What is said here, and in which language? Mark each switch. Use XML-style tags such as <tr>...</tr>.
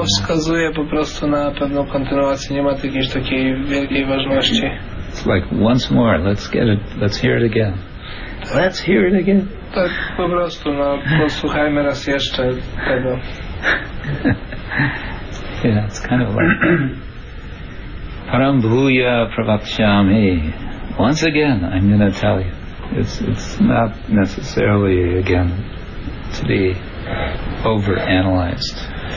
<pl>wskazuje po prostu na pewną kontynuację, nie ma jakiejś takiej wielkiej ważności.</pl> <en>It's like, once more, let's hear it again. Let's hear it again.</en> <pl>Tak, po prostu, no, posłuchajmy raz jeszcze tego.</pl> <en>Yeah, it's kind of like Parambhuya Pravakshami. Once again, I'm going to tell you. It's not necessarily again to be overanalyzed.</en>